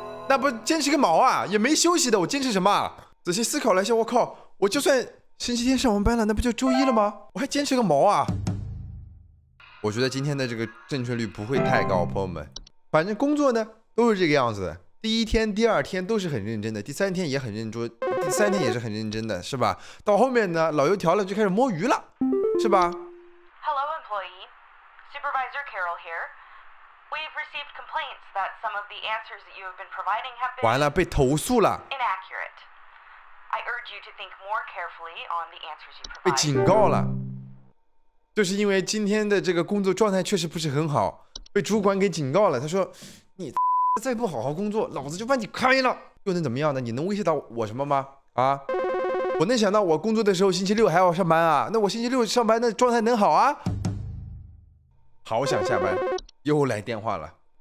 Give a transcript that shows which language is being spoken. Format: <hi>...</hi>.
<zh>那不坚持个毛啊，也没休息的，我坚持什么？仔细思考了一下，我靠，我就算星期天上完班了，那不就周一了吗？我还坚持个毛啊？我觉得今天的这个正确率不会太高，朋友们。反正工作呢都是这个样子的，第一天第二天都是很认真的，第三天也很认真，第三天也是很认真的，是吧？到后面呢老油条了，就开始摸鱼了，是吧？</zh> <en>Hello employee, Supervisor Carol here. We've received complaints that some of the answers that you have been providing have been</en> <zh>完了，被投诉了。</zh> <en>Inaccurate. I urge you to think more carefully on the answers you provide.</en> <zh>被警告了，就是因为今天的这个工作状态确实不是很好，被主管给警告了。他说你再不好好工作，老子就把你开了，又能怎么样呢？你能威胁到我什么吗？啊，我能想到我工作的时候星期六还要上班啊，那我星期六上班的状态能好啊？好想下班。又来电话了。</zh>